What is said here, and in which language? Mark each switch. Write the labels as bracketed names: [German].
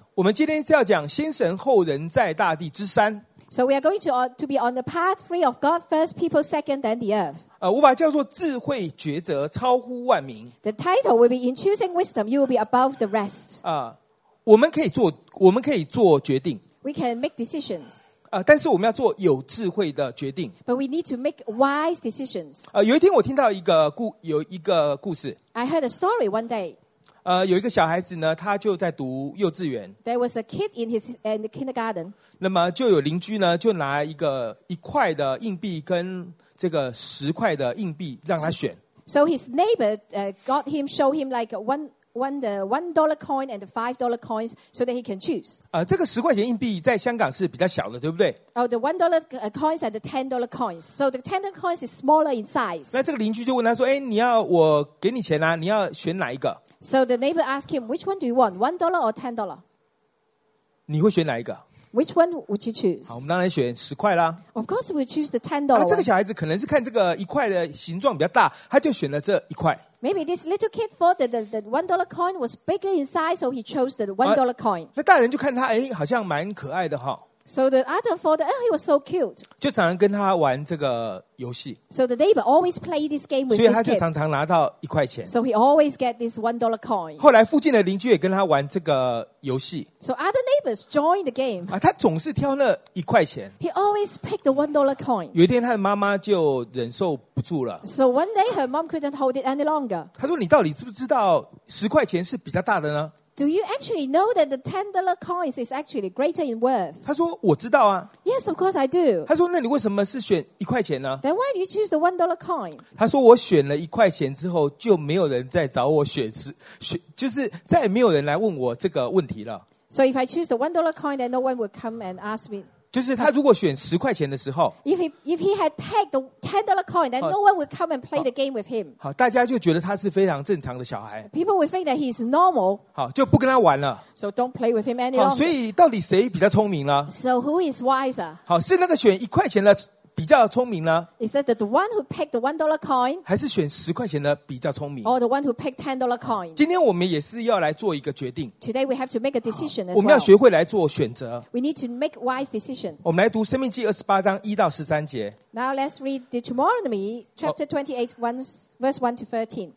[Chinese] 我们今天是要讲先神后人在大地之山。 [English] So we are going to be on the path three of God, first people, second, then the earth. [Chinese] 我把它叫做智慧抉择超乎万民。 [English] The title will be in choosing wisdom, you will be above the rest. [Chinese] 我们可以做决定。 [English] We can make decisions. [Chinese] 但是我们要做有智慧的决定。 [English] But we need to make wise decisions. [Chinese] 有一天我听到一个故事。 [English] I heard a story one day. [Chinese] 有一个小孩子呢，他就在读幼稚园。 [English] There was a kid in the kindergarten. [Chinese] 那么就有邻居呢，就拿一块的硬币跟这个十块的硬币让他选。 [English] So his neighbor got him, show him like one dollar coin and $5 coins so that he can choose. [Chinese] 这个十块钱硬币在香港是比较小的，对不对？ [English] Oh, the $1 coins and the $10 coins. So the $10 coins is smaller in size. [Chinese] 那这个邻居就问他说：“哎，你要我给你钱啊？你要选哪一个？” [English] So the neighbor asked him, "Which one do you want, $1 or $10?" [Chinese] 你会选哪一个？ [English] Which one would you choose? [Chinese] 好，我们当然选十块啦。 [English] Of course, we choose the $10. [Chinese] 这个小孩子可能是看这个一块的形状比较大，他就选了这一块。 [English] Maybe this little kid thought that the $1 coin was bigger in size, so he chose the $1 coin. [Chinese] 那大人就看他，哎，好像蛮可爱的哈。 [English] So the other thought, oh, he was so cute. [Chinese] 就常常跟他玩这个游戏。 [English] So the neighbor always play this game with his kid. [Chinese] 所以他就常常拿到一块钱。 [English] So he always get this $1 coin. [Chinese] 后来附近的邻居也跟他玩这个游戏。 [English] So other neighbors join the game. [Chinese] 他总是挑那一块钱。 [English] He always pick the $1 coin. [Chinese] 有一天他的妈妈就忍受不住了。 [English] So one day her mom couldn't hold it any longer. [Chinese] 他说你到底知不知道十块钱是比较大的呢？ [English] Do you actually know that the $10 coins is actually greater in worth? [Chinese] 他说我知道啊。 [English] Yes, of course I do. [Chinese] 他说那你为什么是选一块钱呢？ [English] Then why do you choose the $1 coin? [Chinese] 他说我选了一块钱之后就没有人再找我选就是再也没有人来问我这个问题了。 [English] So if I choose the $1 coin, then no one would come and ask me. [Chinese] 就是他如果选十块钱的时候。 [English] If he had pegged the $10 coin, then no one would come and play the game with him. [Chinese] 好，大家就觉得他是非常正常的小孩。 [English] People would think that he is normal. [Chinese] 好，就不跟他玩了。 [English] So don't play with him any longer. [Chinese] 所以到底谁比较聪明了？ [English] So who is wiser? [Chinese] 好，是那个选一块钱的比较聪明呢？ [English] Is that the one who picked the $1 coin? [Chinese] 还是选十块钱的比较聪明？ [English] Or the one who picked $10 coin? [Chinese] 今天我们也是要来做一个决定。 [English] Today we have to make a decision as well. [Chinese] 我们要学会来做选择。 [English] We need to make wise decision. [Chinese] 我们来读《生命记》28:1-13. [English] Now let's read Deuteronomy chapter 28:1-13.